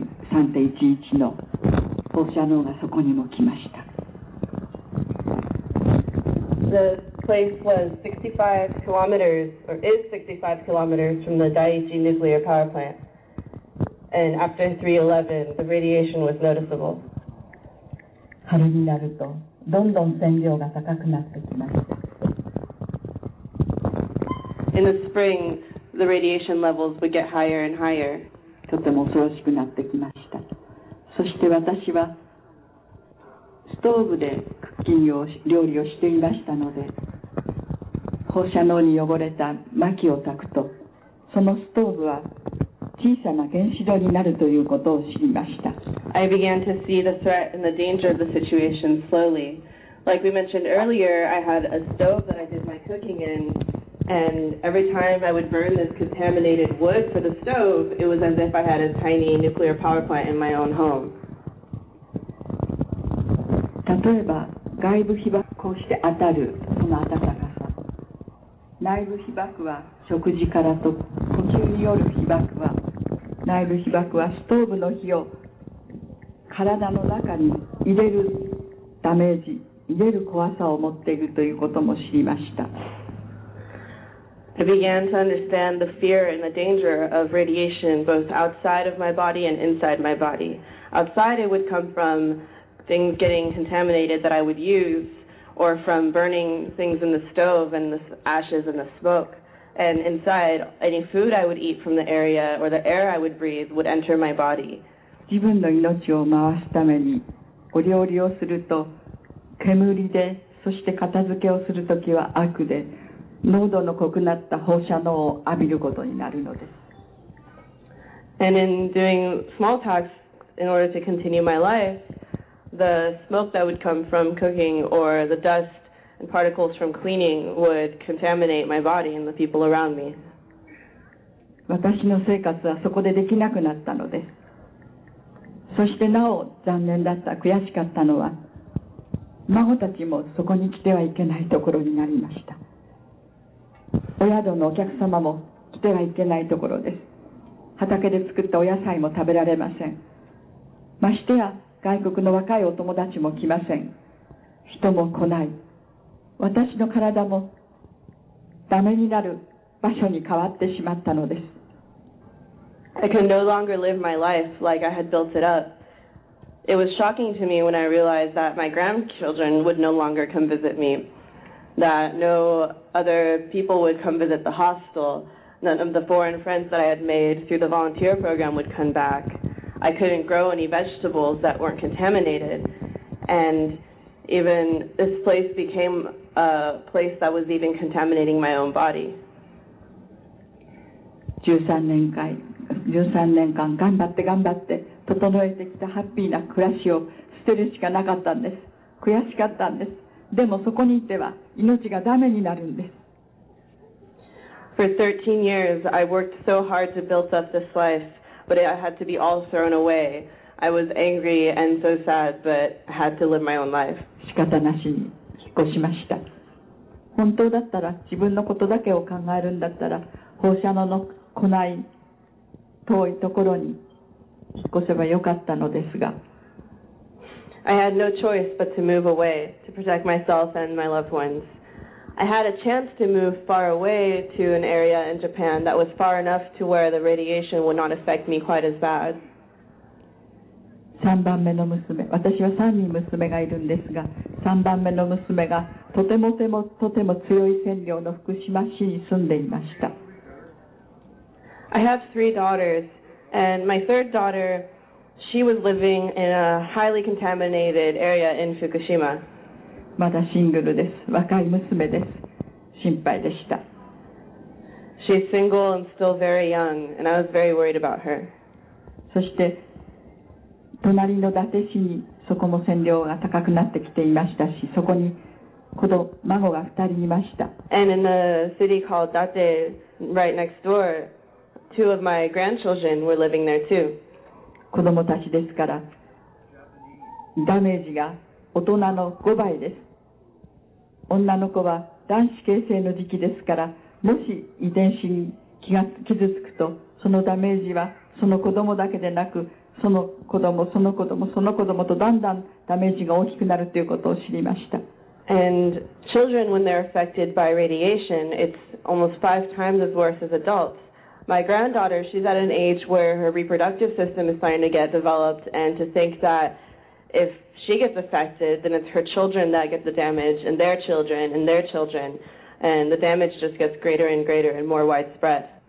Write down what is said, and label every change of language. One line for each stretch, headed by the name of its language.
English: 65 kilometers. The place was 65 kilometers, or is 65 kilometers from the Daiichi nuclear power plant. And after 3/11, the radiation was noticeable.
Japanese: 春になるとどんどん線量が高くなってきました。
English: In the spring, the radiation levels would get higher and higher.
Japanese: とても恐ろしくなってきました。そして私はストーブでクッキングを料理をしていましたので、放射能に汚れた薪を焚くと、そのストーブは小さな原子炉になるということを知りました。
English: I began to see the threat and the danger of the situation slowly. Like we mentioned earlier, I had a stove that I did my cooking in. And every time I would burn this contaminated wood for the stove, it was as if I had a tiny nuclear power plant in my own home.
Japanese: 例えば、外部被曝こうして当たるその暖かさ。内部被曝は食事からと呼吸による被曝は、内部被曝はストーブの火を体の中に入れるダメージ、入れる怖さを持っているということも知りました。
English: I began to understand the fear and the danger of radiation both outside of my body and inside my body. Outside it would come from things getting contaminated that I would use or from burning things in the stove and the ashes and the smoke. And inside, any food I would eat from the area or the air I would breathe would enter my body.
Japanese: 自分の命を回すためにお料理をすると煙で、そして片付けをするときは悪で、濃度の濃くなった放射能を浴びることになるのです。
English: And in doing small tasks in order to continue my life, the smoke that would come from cooking or the dust and particles from cleaning would contaminate my body and the people around me.
Japanese: 私の生活はそこでできなくなったのです。そしてなお残念だった、悔しかったのは、孫たちもそこに来てはいけないところになりました。お宿のお客様も来てはいけないところです。畑で作ったお野菜も食べられません。ましてや外国の若いお友達も来ません。人も来ない。私の体もダメになる場所に変わってしまったのです。
English: I can no longer live my life like I had built it up. It was shocking to me when I realized that my grandchildren would no longer come visit me. That no other people would come visit the hostel. None of the foreign friends that I had made through the volunteer program would come back. I couldn't grow any vegetables that weren't contaminated. And even this place became a place that was even contaminating my own body.
Japanese: 13年間頑張って整えてきたハッピーな暮らしを捨てるしかなかったんです。悔しかったんです。でもそこにいては命がダメになるんです。
English: For 13 years, I worked so hard to build up this life, but it had to be all thrown away. I was angry and so sad, but I had to live my own life.
Japanese: 仕方なしに引っ越しました。本当だったら自分のことだけを考えるんだったら、放射能の来ない遠いところに引っ越せばよかったのですが、
English: I had no choice but to move away to protect myself and my loved ones. I had a chance to move far away to an area in Japan that was far enough to where the radiation would not affect me quite as bad.
Japanese: 3番目の娘、私は3人娘がいるんですが、3番目の娘がとてもとてもとても強い線量の福島市に住んでいました。
English: I have three daughters, and my third daughter, she was living in a highly contaminated area in Fukushima.
Japanese: まだシングルです。若い娘です。心配でした。
English: She's single and still very young, and I was very worried about her.
Japanese: そして、隣の伊達市にそこも線量が高くなってきていましたし、そこに子供、孫が2人いました。
English: And in the city called Date, right next door, two of my grandchildren were living there too.
Japanese: 子供たちですから、ダメージが大人の5倍です。女の子は卵子形成の時期ですから、もし遺伝子に傷つくと、そのダメージはその子供だけでなく、その子供、その子供、その子供とだんだんダメージが大きくなるということを知りました。
English: And children, when they're affected by radiation, it's almost five times as worse as adults. My granddaughter, she's at an age where her reproductive system is starting to get developed, and to think that if she gets affected, then it's her children that get the damage, and their children, and their children, and the damage just gets greater and greater and more widespread.